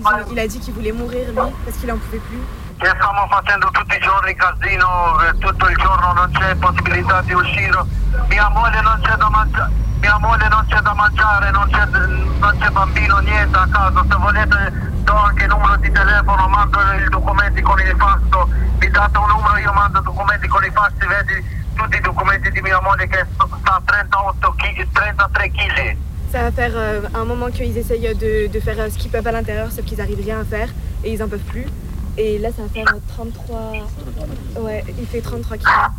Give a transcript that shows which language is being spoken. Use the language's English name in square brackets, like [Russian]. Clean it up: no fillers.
[French] Il a dit qu'il voulait mourir lui parce qu'il en pouvait plus. [Italian] che stiamo facendo tutti i giorni casino, tutto il giorno non c'è possibilità di uscire, mia moglie non c'è da mangiare, non c'è bambino, niente a casa, se volete do anche il numero di telefono, mando i documenti con il fax, vi date un numero, io mando i documenti con il fax, vedi tutti i documenti di mia moglie che sta a 33 kg. [French] Ça va faire un moment qu'ils essayent de faire ce qu'ils peuvent à l'intérieur, sauf qu'ils n'arrivent rien à faire et ils n'en peuvent plus. Et là, ça va faire 33... Ouais, il fait 33 kilos.